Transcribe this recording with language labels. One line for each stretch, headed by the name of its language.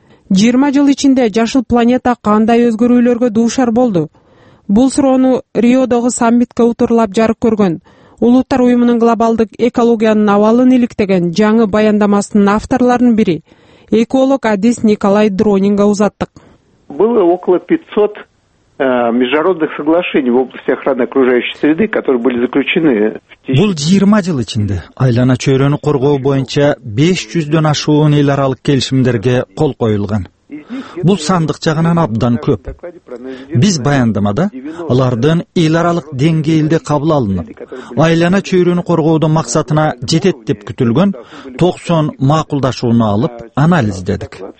Kyrgyz: 20 жыл ичинде жашыл планета кандай өзгөрүүлөргө дуушар болду? Бул суроону Риодогу саммитке уутурлап жарык көргөн Улуттар Уюмунун глобалдык экологиянын абалын иликтеген жаңы баяндамасынын авторлорунун бири, эколог Адис Николай Дронинга узаттык.
Russian: Было около 500 международных соглашений в области охраны окружающей среды, которые были заключены.
Kyrgyz: Бул 20 жыл ичинде айлана чөйрөнү коргоо боюнча 500дөн ашуун эл аралык келишимдерге кол коюлган. Бул сандык жагынан абдан көп. Биз баяндамада алардын эл аралык деңгээлде кабыл алынып, айлана чөйрөнү коргоодун максатына жетет деп күтүлгөн 90 макулдашууну алып анализдедик.